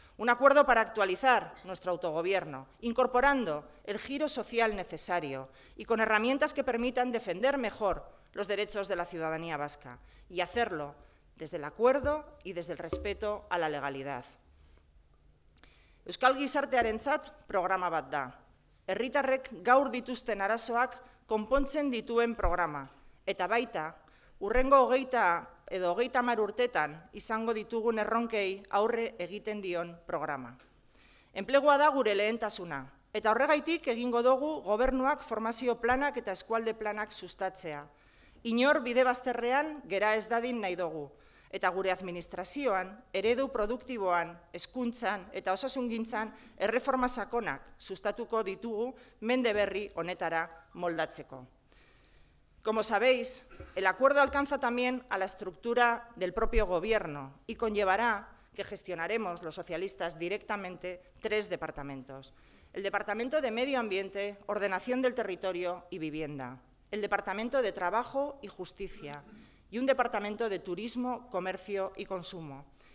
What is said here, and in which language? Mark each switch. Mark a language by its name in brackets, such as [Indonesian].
[Spanish] Un acuerdo para actualizar nuestro autogobierno, incorporando el giro social necesario y con herramientas que permitan defender mejor los derechos de la ciudadanía vasca y hacerlo desde el acuerdo y desde el respeto a la legalidad. [Basque] Euskal Gizartearentzat programa bat da. Herritarrek gaur dituzten arazoak konpontzen dituen programa. Eta baita, urrengo 20 edo 30 urtetan izango ditugun erronkei aurre egiten dion programa. Enplegua da gure lehentasuna. Eta horregaitik egingo dugu gobernuak formazio planak eta eskualde planak sustatzea. Inor bide bazterrean gera ez dadin nahi dugu. Eta gure administrazioan, eredu produktiboan, hezkuntzan eta osasungintzan erreforma sakonak sustatuko ditugu mende berri honetara moldatzeko. [Spanish] Como sabéis, el acuerdo alcanza también a la estructura del propio gobierno y conllevará que gestionaremos los socialistas directamente 3 departamentos. El Departamento de Medio Ambiente, Ordenación del Territorio y Vivienda. El Departamento de Trabajo y Justicia. Y un departamento de turismo, comercio y consumo.